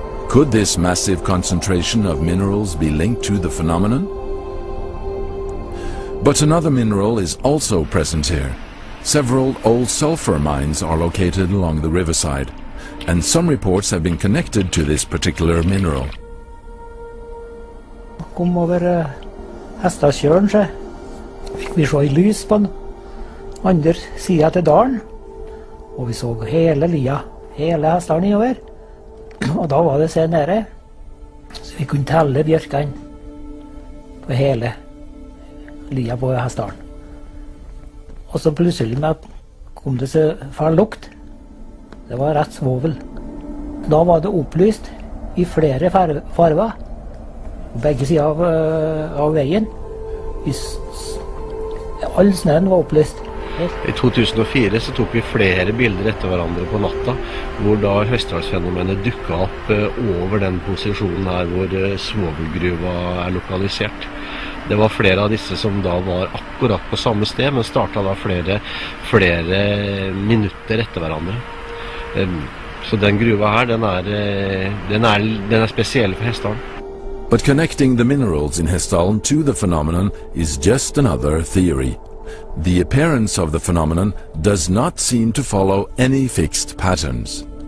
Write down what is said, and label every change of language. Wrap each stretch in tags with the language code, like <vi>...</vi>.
<en>Could this massive concentration of minerals be linked to the phenomenon? But another mineral is also present here. Several old sulfur mines are located along the riverside, and some reports have been connected to this particular mineral.</en> <no>Kom over Hestasjøen, så fikk vi se et lys på den andre siden til dalen, og vi så hele lia, hele Hestalen over. Og da var det senere, så vi kunne telle bjørkene på hele lia på Hestalen. Og så plutselig kom det så fæl lukt. Det var rett svovel. Da var det opplyst i flere farver på begge sider av veien. All snøen var opplyst. I 2004 så tok vi flere bilder etter hverandre på natta, hvor da Hestalsfenomenet dukket opp over den posisjonen her hvor svovelgruva er lokalisert. Det var flere av disse som da var akkurat på samme sted, men startet da flere minutter etter hverandre. Så den gruva her, den er spesiell for Hestalen.</no> <en>But connecting the minerals in Hestalen to the phenomenon is just another theory. the appearance of the phenomenon does not seem to follow any fixed patterns.</en>